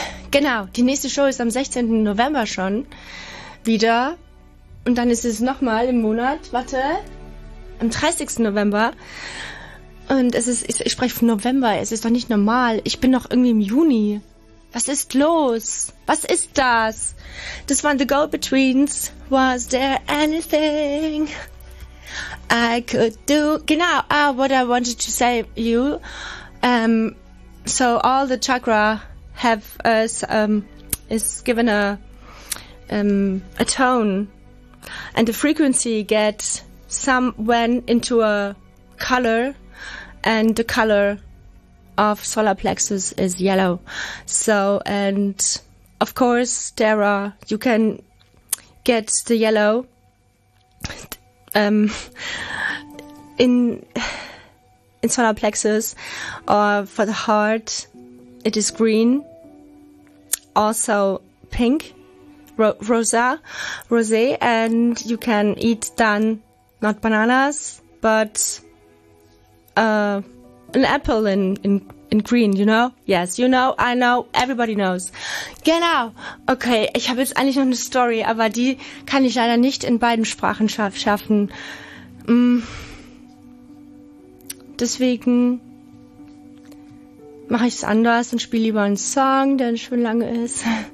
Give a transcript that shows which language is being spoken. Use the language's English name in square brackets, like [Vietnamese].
[German] Genau, die nächste Show ist am 16. November schon wieder und dann ist es nochmal im Monat, warte, am 30. November. Und es ist, ich spreche von November, es ist doch nicht normal. Ich bin noch irgendwie im Juni. Was ist los? Was ist das? Das waren The Go-Betweens. [English] Was there anything I could do? [German] Genau, [English] what I wanted to say you. So all the chakra have us, is given a tone. And the frequency gets some when into a color. And the color of solar plexus is yellow. So, and of course, there are, you can get the yellow, in solar plexus, or for the heart, it is green, also pink, rosé, and you can eat then, not bananas, but an apple in green, you know? Yes, you know, I know, everybody knows. [German] Genau. Okay, ich habe jetzt eigentlich noch eine Story, aber die kann ich leider nicht in beiden Sprachen schaffen. Deswegen mache ich es anders und spiele lieber einen Song, der schön lang ist.